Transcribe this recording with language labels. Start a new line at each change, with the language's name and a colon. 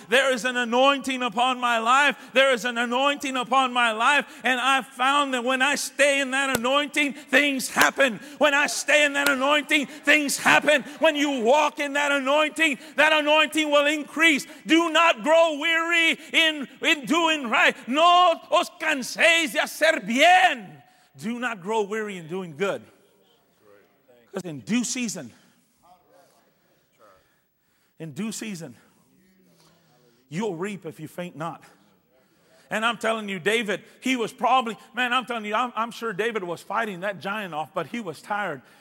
English: There is an anointing upon my life. There is an anointing upon my life. And I've found that when I stay in that anointing, things happen. When I stay in that anointing, things happen. When you walk in that anointing will increase. Do not grow weary in doing right.
Spanish: No os canséis de hacer bien.
English: Do not grow weary in doing good. Because in due season, in due season, you'll reap if you faint not. And I'm telling you, David, he was probably, man, I'm telling you, I'm sure David was fighting that giant off, but he was tired.